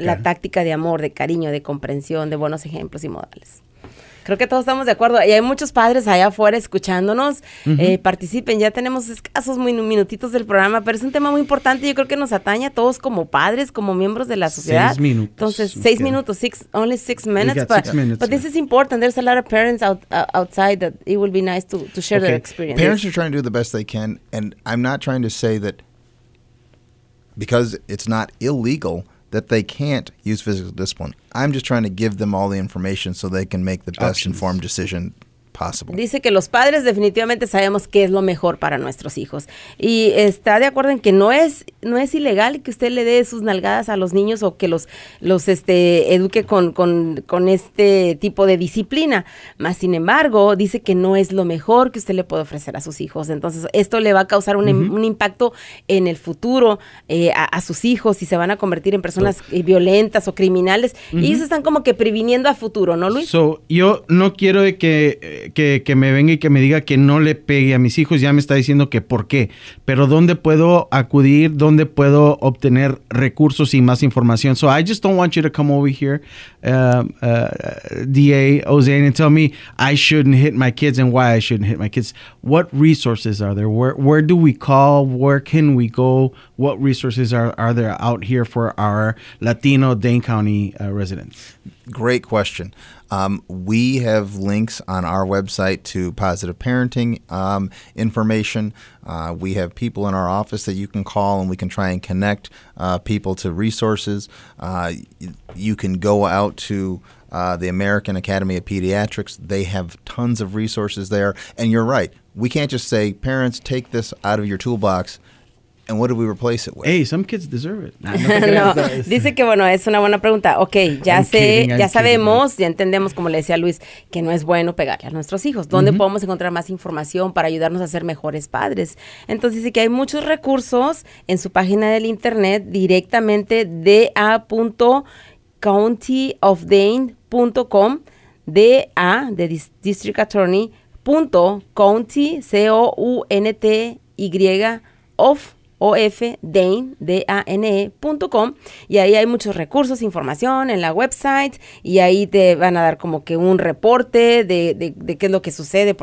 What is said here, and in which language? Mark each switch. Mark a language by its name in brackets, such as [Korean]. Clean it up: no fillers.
[Spanish] la táctica de amor, de cariño, de comprensión, de buenos ejemplos y modales. Creo que todos estamos de acuerdo. Y hay muchos padres allá afuera escuchándonos. Uh-huh. Participen. Ya tenemos escasos minutitos del programa, pero es un tema muy importante. Yo creo que nos atañe a todos como padres, como miembros de la sociedad. [English] 6 minutes. Entonces, okay. 6 minutes. Only six minutes. But this is important. There's a lot of parents outside that it will be nice to share their experience. Parents are trying to do the best they can. And I'm not trying to say that because it's not illegal that they can't use physical discipline. I'm just trying to give them all the information so they can make the best informed decision possible. [Spanish] Dice que los padres definitivamente sabemos qué es lo mejor para nuestros hijos. Y está de acuerdo en que no es ilegal que usted le dé sus nalgadas a los niños o que los eduque con este tipo de disciplina. Mas, sin embargo, dice que no es lo mejor que usted le puede ofrecer a sus hijos. Entonces, esto le va a causar un impacto en el futuro a sus hijos y se van a convertir en personas violentas o criminales. Uh-huh. Y ellos están como que previniendo a futuro, ¿no, Luis? Yo no quiero de que me venga y que me diga que no le pegue a mis hijos, ya me está diciendo que por qué, pero ¿dónde puedo acudir? ¿Dónde puedo obtener recursos y más información? [English] So I just don't want you to come over here, DA Ozane, and tell me I shouldn't hit my kids and why I shouldn't hit my kids. What resources are there? Where do we call? Where can we go? What resources are there out here for our Latino Dane County residents? Great question. We have links on our website to positive parenting information. We have people in our office that you can call, and we can try and connect people to resources. You can go out to the American Academy of Pediatrics. They have tons of resources there. And you're right. We can't just say, parents, take this out of your toolbox. And what do we replace it with? Hey, some kids deserve it. [Spanish] No, dice que, bueno, es una buena pregunta. Ok, ya sabemos, ya entendemos, como le decía Luis, que no es bueno pegarle a nuestros hijos. ¿Dónde podemos encontrar más información para ayudarnos a ser mejores padres? Entonces, dice que hay muchos recursos en su página del internet, directamente da.countyofdane.com, D-A, de District Attorney, punto, county, C-O-U-N-T-Y, of, OFDANE, DANE.com, y ahí hay muchos recursos, información en la website, y ahí te van a dar como que un reporte de qué es lo que sucede.